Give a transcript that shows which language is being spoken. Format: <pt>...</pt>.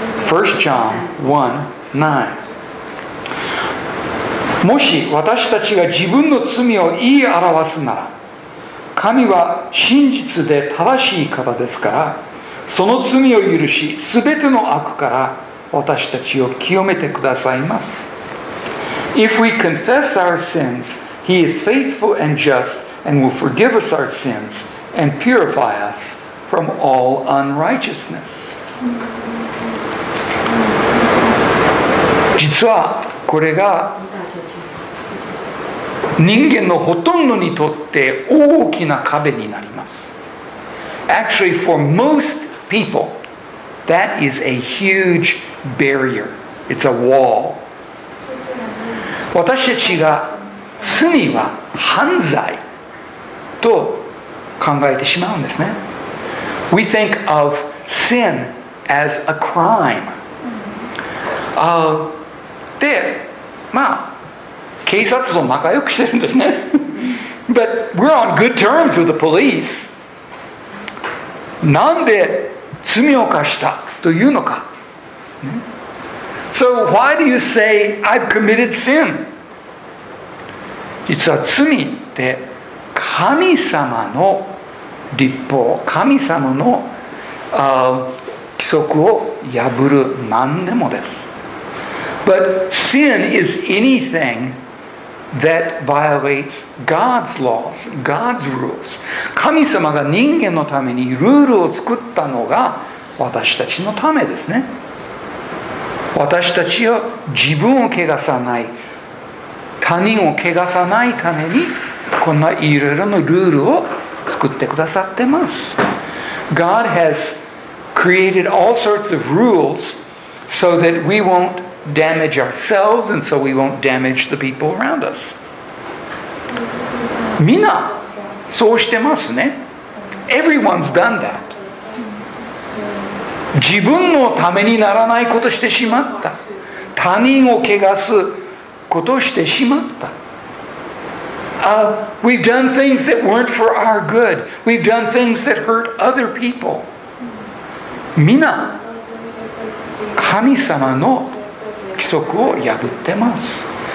<en>1 John 1:9.</en> <ja>もし私たちが自分の罪を言い表すなら、神は真実で正しい方ですから、その罪を許し、すべての悪から私たちを清めてくださいます。</ja> <en>If we confess our sins, He is faithful and just and will forgive us our sins and purify us from all unrighteousness.</en> <ja>実はこれが人間のほとんどにとって大きな壁になります。</ja> <en>Actually, for most people, that is a huge barrier. It's a wall.</en> <ja>私たちが罪は犯罪と考えてしまうんですね。</ja> <en>We think of sin as a crime.</en> <ja>で、まあ警察と仲良くしてるんですね。</ja> <en>But we're on good terms with the police.</en> <ja>なんで罪を犯したというのか。</ja> <en>So why do you say I've committed sin?</en> <ja>実は罪って神様の律法、神様の規則を破る何でもです。</ja> <en>But sin is anything that violates God's laws, God's rules.</en> <ja>神様が人間のためにルールを作ったのが私たちのためですね。私たちは自分を汚さない、他人を汚さないためにこんないろいろのルールを作ってくださってます。</ja> <en>God has created all sorts of rules so that we won't damage ourselves and so we won't damage the people around us.</en> <ja>みんなそうしてますね。</ja> <en>Everyone's done that.</en> <ja>自分のためにならないことしてしまった、他人を汚すことしてしまった。</ja> <en>We've done things that weren't for our good. We've done things that hurt other people.</en> <ja>みんな神様の規則を破ってます。</ja>